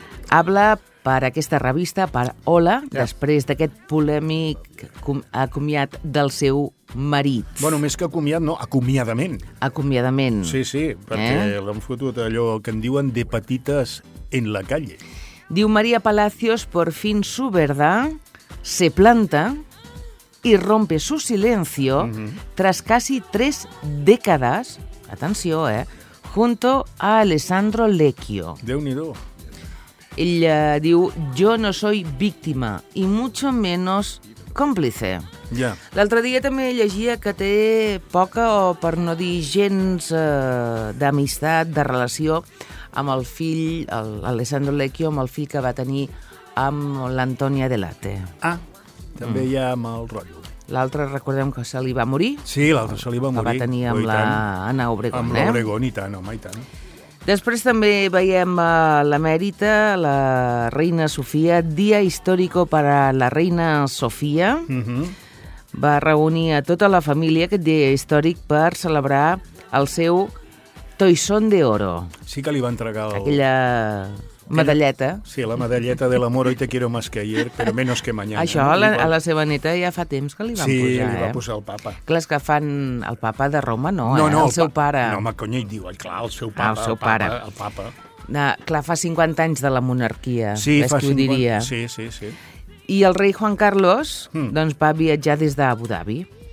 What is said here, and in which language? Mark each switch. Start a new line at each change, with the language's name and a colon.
Catalan: Habla per aquesta revista, per Hola, després d'aquest polèmic acomiad del seu marit. Bueno, més que acomiad, no, acomiadament. Acomiadament. Sí, sí, perquè l'han fotut allò que en diuen de petites
Spanish: en la calle.
Catalan: Diu
Spanish: Maria Palacios, por fin su verdad, se planta y rompe su silencio tras casi tres décadas,
Catalan: atenció,
Spanish: junto a Alessandro Lecchio.
Catalan: Déu-n'hi-do. Ella diu,
Spanish: yo no soy víctima y mucho menos cómplice. Yeah.
Catalan: L'altre dia també llegia que té poca, o per no dir gens, d'amistat, de relació amb el fill, l'Alessandro Lecchio, amb el fill que va tenir amb l'Antonia Delate. Ah, també hi ha mal rotllo. L'altre, recordem que se li va morir. Sí, l'altre se li va morir. Que va tenir amb l'Anna Obregón. Amb l'Obregón, i tant, home, i tant. Després també veiem l'emèrita, la reina Sofia,
Spanish: Dia Histórico
Catalan: per a la reina Sofia. Va reunir a tota la família aquest dia històric per celebrar el seu Toisón de Oro. Sí que li va entregar el... aquella medalleta. Sí, la medalleta de l'amor,
Spanish: hoy te quiero más que ayer, pero menos que mañana.
Catalan: Això a la seva neta ja fa temps que li van posar. Sí, li va posar el papa. Clar, és que fan el papa de Roma, no? No, no. El seu pare. No, home, conya, i diu, clar, el seu papa. El seu pare. El papa. No, clar, fa 50 anys de la monarquia. Sí, fa 50. Sí, sí, sí. I el rei Juan Carlos, doncs, va viatjar des d'Abu Dhabi.